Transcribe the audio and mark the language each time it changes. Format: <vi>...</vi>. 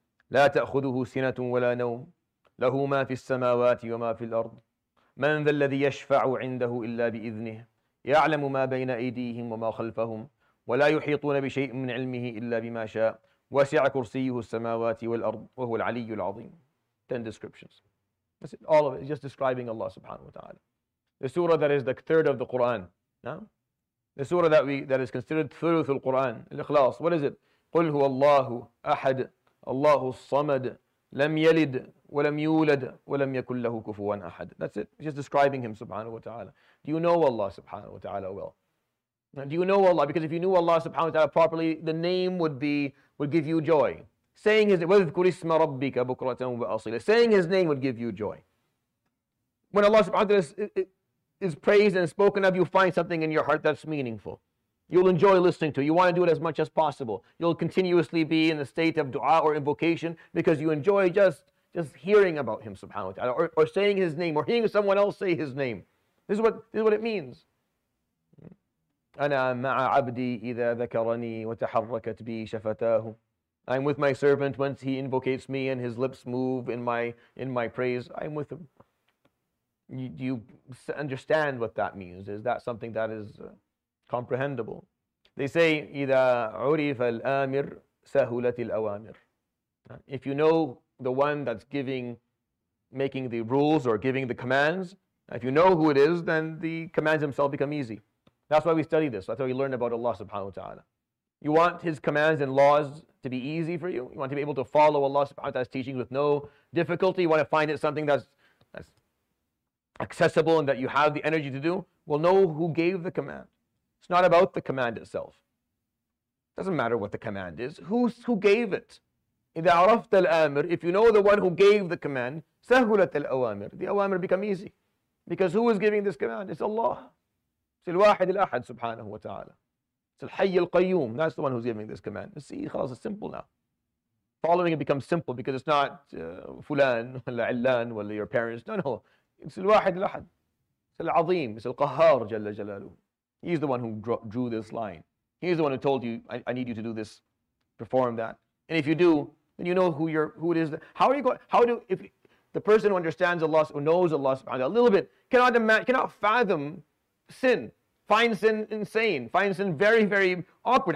<ar>لا تأخذه سنة ولا نوم له ما في السماوات وما في الأرض من ذا الذي يشفع عنده إلا بإذنه يعلم ما بين أيديهم وما خلفهم ولا يحيطون بشيء من علمه إلا بما شاء وسع كرسيه السماوات والأرض وهو العلي العظيم.</ar> <en>10 descriptions. That's it, all of it is just describing Allah subhanahu wa ta'ala. The surah that is the third of the Quran. No? The surah that is considered thuluth al-Quran, al-Ikhlas. What is it?</en> <ar>قل هو الله أحد الله الصمد لم يلد ولم يولد ولم يكن له كفوا أحد.</ar> <en>That's it. Just describing Him, subhanahu wa ta'ala. Do you know Allah, subhanahu wa ta'ala, well? Do you know Allah? Because if you knew Allah subhanahu wa ta'ala properly, the name would give you joy. Saying his name,</en> <ar>وَذْكُرِ اسْمَ رَبِّكَ بُكْرَةً وَأَصِيلًا.</ar> <en>Saying his name would give you joy. When Allah subhanahu wa ta'ala is praised and spoken of, you find something in your heart that's meaningful. You'll enjoy listening to it. You want to do it as much as possible. You'll continuously be in a state of dua or invocation because you enjoy just hearing about him subhanahu wa ta'ala or saying his name or hearing someone else say his name. This is what it means.</en> <ar>أَنَا مَعَ عَبْدِي إِذَا ذَكَرَنِي وَتَحَرَّكَتْ بِي شَفَتَاهُ.</ar> <en>I'm with my servant once he invocates me and his lips move in my praise. I'm with him. Do you understand what that means? Is that something that is comprehensible? They say,</en> <ar>إِذَا عُرِفَ الْآمِرْ سَهُولَتِ الْأَوَامِرْ.</ar> <en>If you know the one that's making the rules or giving the commands, if you know who it is, then the commands themselves become easy. That's why we study this. That's why we learn about Allah subhanahu wa ta'ala. You want his commands and laws to be easy for you? You want to be able to follow Allah subhanahu wa ta'ala's teachings with no difficulty? You want to find it something that's accessible and that you have the energy to do? Well, know who gave the command. It's not about the command itself. It doesn't matter what the command is. Who gave it?</en> <ar>إِذَا عَرَفْتَ الْأَمْرِ.</ar> <en>If you know the one who gave the command,</en> <ar>سَهُلَتَ الْأَوَامِرِ.</ar> <en>The awamir become easy. Because who is giving this command? It's Allah. It's</en> <ar>الواحد الأحد سبحانه وتعالى.</ar> <en>It's</en> <ar>الحي القيوم.</ar> <en>That's the one who's giving this command. See, خلاص, it's simple now. Following it becomes simple because it's not</en> <ar>فلان ولا علان</ar> <en>ولا your parents. No, no. It's</en> <ar>الواحد الأحد.</ar> <en>It's العظيم. It's</en> <ar>القهار جل جلاله.</ar> <en>He's the one who drew this line. He's the one who told you, I need you to do this, perform that. And if you do, then you know who it is. How are you going? How do, if the person who understands Allah, who knows Allah subhanahu wa ta'ala a little bit, cannot fathom sin, find sin insane, find sin very, very awkward.</en>